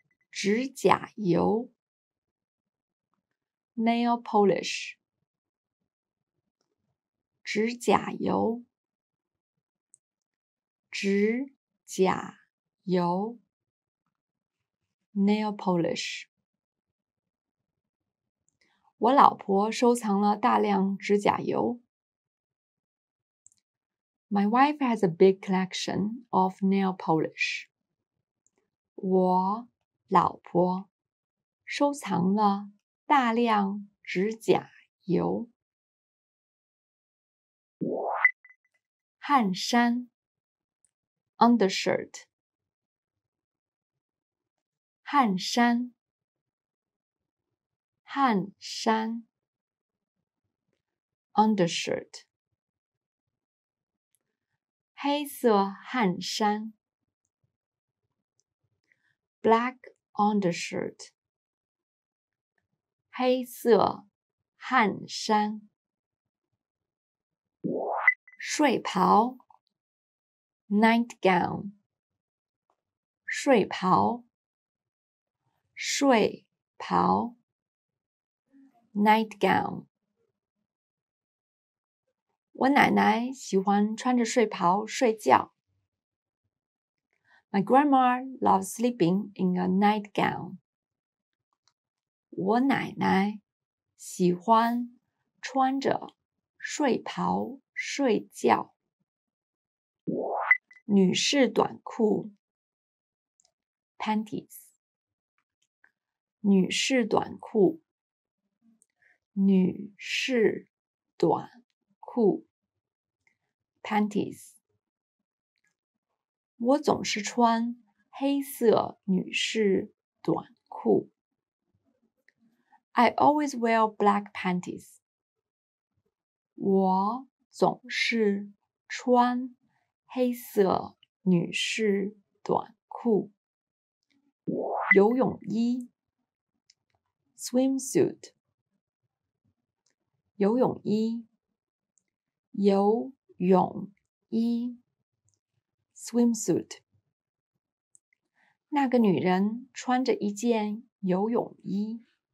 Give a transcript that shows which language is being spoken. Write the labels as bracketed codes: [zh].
[zh] 指甲油 [en] Nail polish [zh] 指甲油指甲油 Nail polish 我老婆收藏了大量指甲油 [en] My wife has a big collection of nail polish. [zh] 我老婆收藏了大量指甲油。汗衫 [en] Undershirt [zh] 汗衫汗衫 Undershirt黑色汗衫 [en] Black undershirt [zh] 黑色汗衫睡袍 [en] Nightgown [zh] 睡袍睡袍 Nightgown 我奶奶喜欢穿着睡袍睡觉。 [en] My grandma loves sleeping in a nightgown. [zh] 我奶奶喜欢穿着睡袍睡觉。女士短裤 [en] Panties [zh] 女士短裤女士短裤Panties. 我总是穿黑色女士短裤。 [en] I always wear black panties. [zh] 我总是穿黑色女士短裤。游泳衣 [en] Swimsuit. [zh] 游泳衣游泳衣 [en] swimsuit [zh] 那个女人穿着一件游泳衣